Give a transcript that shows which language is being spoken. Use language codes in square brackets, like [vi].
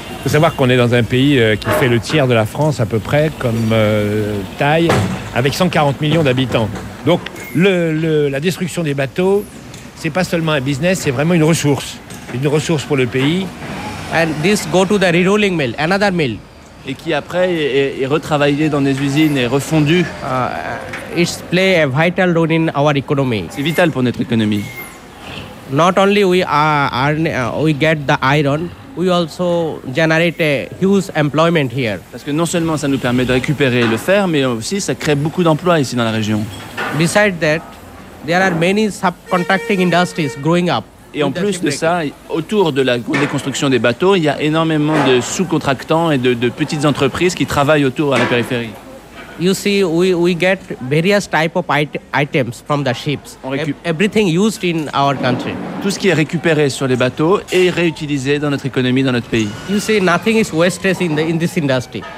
[fr] Il faut savoir qu'on est dans un pays qui fait le tiers de la France, à peu près, comme taille, avec 140 millions d'habitants. Donc, la destruction des bateaux, ce n'est pas seulement un business, c'est vraiment une ressource. Une ressource pour le pays. [en] And this go to the rerolling mill, another mill. [fr] Et qui après est retravaillé dans des usines et refondu. [en] It play a vital role in our economy. [fr] C'est vital pour notre économie. [en] Not only we get the iron, we also generate a huge employment here. [fr] Parce que non seulement ça nous permet de récupérer le fer, mais aussi ça crée beaucoup d'emplois ici dans la région. [en] Besides that, there are many subcontracting industries growing up. [fr] Et en plus de ça, autour de la déconstruction des bateaux, il y a énormément de sous-contractants et de petites entreprises qui travaillent autour à la périphérie. [en] You see, we get various type of items from the ships. Everything used in our country. [fr] Tout ce qui est récupéré sur les bateaux est réutilisé dans notre économie, dans notre pays. [en] You see, nothing is wasted in this industry.